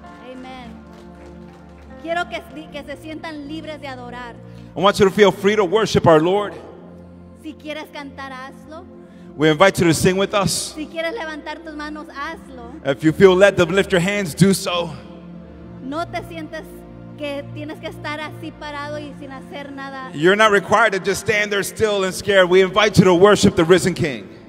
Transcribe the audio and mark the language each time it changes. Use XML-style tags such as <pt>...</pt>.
<es>Amen. Quiero que se sientan libres de adorar.</es> <en>I want you to feel free to worship our Lord.</en> <es>Si quieres cantar, hazlo.</es> <en>We invite you to sing with us.</en> <es>Si quieres levantar tus manos, hazlo.</es> <en>If you feel led to lift your hands, do so.</en> <es>No te sientes que tienes que estar así parado y sin hacer nada.</es> <en>You're not required to just stand there still and scared. We invite you to worship the risen King.</en>